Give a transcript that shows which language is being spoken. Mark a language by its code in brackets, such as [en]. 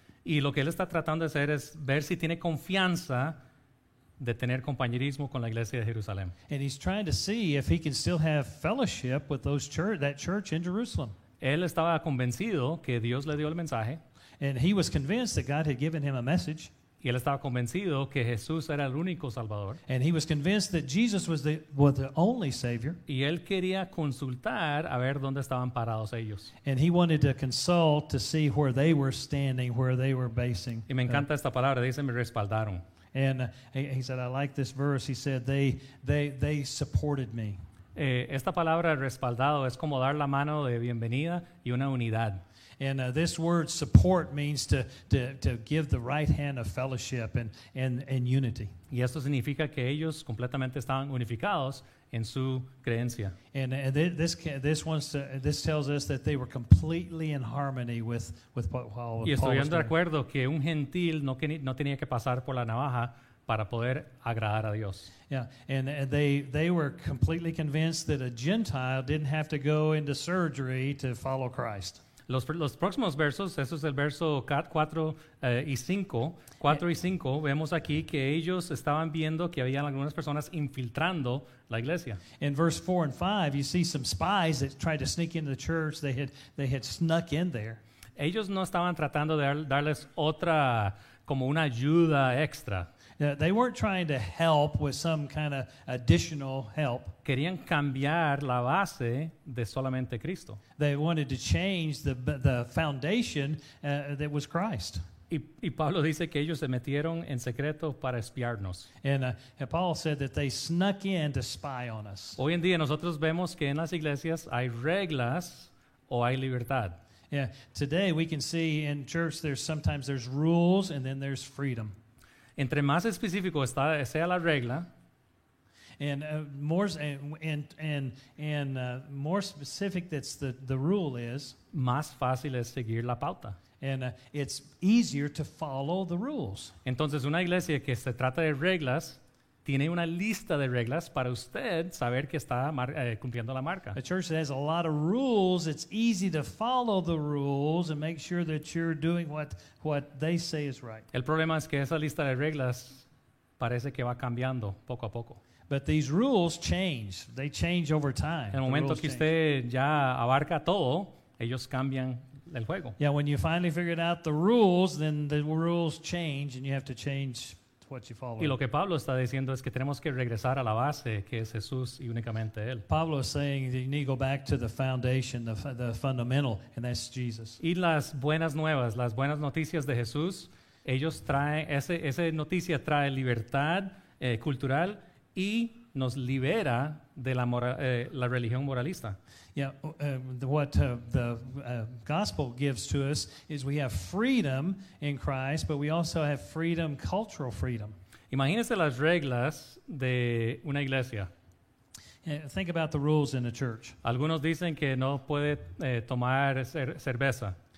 [es] Y lo que él está tratando de hacer es ver si tiene confianza de tener compañerismo con la iglesia de Jerusalén. [en] And he's trying to see if he can still have fellowship with those church, that church in Jerusalem. [es] Él estaba convencido que Dios le dio el mensaje. [en] And he was convinced that God had given him a message. [es] Y él estaba convencido que Jesús era el único salvador. [en] And he was convinced that Jesus was the only savior. [es] Y él quería consultar a ver dónde estaban parados ellos. [en] And he wanted to consult to see where they were standing, where they were basing. [es] Y me encanta esta palabra, dice me respaldaron. [en] And he said, I like this verse. He said, they supported me. [es] Esta palabra respaldado es como dar la mano de bienvenida y una unidad. [en] And this word support means to give the right hand of fellowship and unity. [es] Y esto significa que ellos completamente estaban unificados en su creencia. [en] And this tells us that they were completely in harmony with what Paul was doing. [es] Y estuvieron de acuerdo que un gentil no tenía que pasar por la navaja para poder agradar a Dios. [en] Yeah, and they were completely convinced that a Gentile didn't have to go into surgery to follow Christ. [es] Los próximos versos, eso es el verso 4 y 5, vemos aquí que ellos estaban viendo que había algunas personas infiltrando la iglesia. [en] In verse 4 and 5, you see some spies that tried to sneak into the church. They had snuck in there. [es] Ellos no estaban tratando de darles otra, como una ayuda extra. [en] They weren't trying to help with some kind of additional help. [es] Querían cambiar la base de solamente Cristo. [en] They wanted to change the foundation that was Christ. [es] Y Pablo dice que ellos se metieron en secreto para espiarnos. [en] And Paul said that they snuck in to spy on us. [es] Hoy en día nosotros vemos que en las iglesias hay reglas o hay libertad. [en] Yeah, today we can see in church there's sometimes rules and then there's freedom. [es] Entre más específico sea la regla, [en] and more specific that's the rule is, [es] más fácil es seguir la pauta. [en] And it's easier to follow the rules. [es] Entonces, una iglesia que se trata de reglas tiene una lista de reglas para usted saber que está cumpliendo la marca. [en] A church that has a lot of rules, it's easy to follow the rules and make sure that you're doing what they say is right. [es] El problema es que esa lista de reglas parece que va cambiando poco a poco. [en] But these rules change. They change over time. [es] En el momento que usted ya abarca todo, ellos cambian el juego. [en] Yeah, when you finally figured out the rules, then the rules change and you have to change what you follow. [es] Y lo que Pablo está diciendo es que tenemos que regresar a la base, que es Jesús y únicamente Él. [en] Pablo is saying that you need to go back to the foundation, the fundamental, and that's Jesus. [es] Y las buenas nuevas, las buenas noticias de Jesús, ellos traen, esa noticia trae libertad cultural y nos libera de la religión moralista. [en] Yeah, what the gospel gives to us is we have freedom in Christ, but we also have freedom, cultural freedom. [es] Imagínese las reglas de una iglesia. [en] Think about the rules in a church. [es] Algunos dicen que no puede tomar cerveza.